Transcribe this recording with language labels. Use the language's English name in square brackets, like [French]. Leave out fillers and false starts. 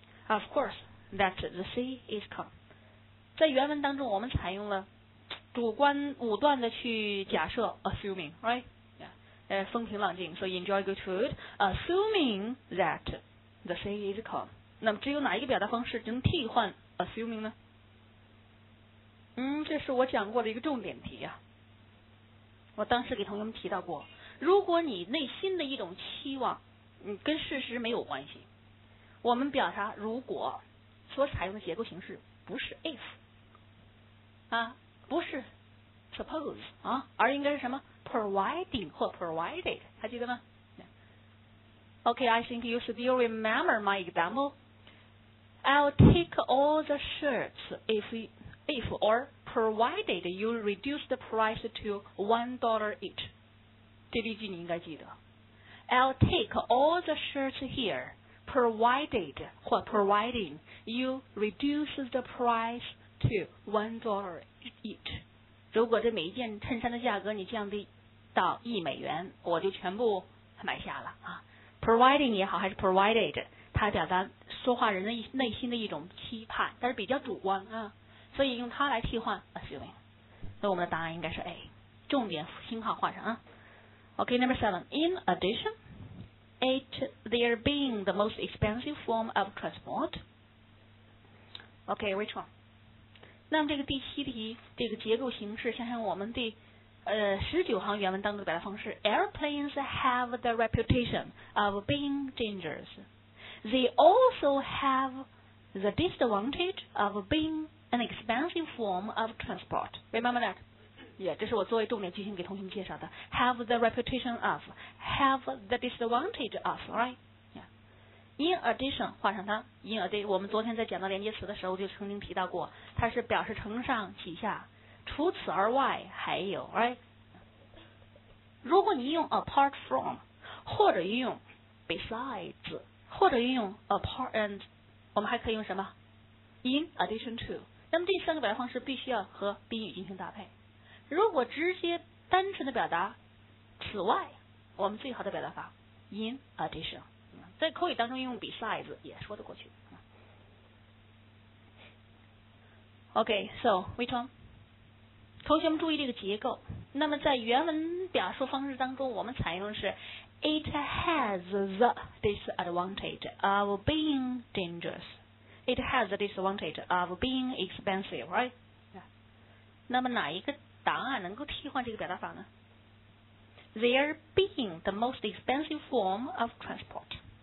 [English] Of course that the sea is calm。 [Chinese] 在原文当中，我们采用了主观武断的去假设 ，assuming， right？风平浪静，所以 [English] enjoy good food assuming that the sea is calm。 [Chinese] 那么只有哪一个表达方式能替换 assuming 呢？这是我讲过的一个重点题啊。我当时给同学们提到过，如果你内心的一种期望跟事实没有关系，我们表达如果所采用的结构形式不是 if 啊，不是 suppose 啊，而应该是什么Providing 或 provided， 还记得吗 ？ [English] OK， I think you still remember my example. I'll take all the shirts if or provided you reduce the price to $1 each. [Chinese] 这例句你应该记得。 [English] I'll take all the shirts here, provided 或 providing you reduce the price to $1 each. [Chinese] 如果这每一件衬衫的价格你降低到$1，我就全部买下了啊。 Providing 也好，还是 provided， 它表达说话人的内心的一种期盼，但是比较主观啊，所以用它来替换 assuming。那我们的答案应该是 A， 重点星号换上啊。 [English] OK， number seven， in addition， it there being the most expensive form of transport。 OK， which one？ [Chinese] 那么这个第七题，这个结构形式，想想我们的。十九行原文当中的表达方式 [English] ，Airplanes have the reputation of being dangerous. They also have the disadvantage of being an expensive form of transport. Remember that? [Chinese] Yeah， 这是我作为重点句型给同学们介绍的。 [English] Have the reputation of， have the disadvantage of， right？ [Chinese] Yeah。 In addition， 画上它。In addition， 我们昨天在讲到连接词的时候就曾经提到过，它是表示承上启下。除此而外还有 right？ 如果你用 apart from 或者运用 besides 或者运用 apart and， 我们还可以用什么 in addition to， 那么第三个表达方式必须要和宾语进行搭配。如果直接单纯的表达此外，我们最好的表达法 in addition， 在口语当中用 besides 也说得过去。 [English] OK， so which one？ [Chinese] 同学们注意这个结构。那么在原文表述方式当中，我们采用的是 [English] it has the disadvantage of being dangerous， it has the disadvantage of being expensive， right？ [Chinese] Yeah。 那么哪一个答案能够替换这个表达法呢？ [English] There being the most expensive form of transport。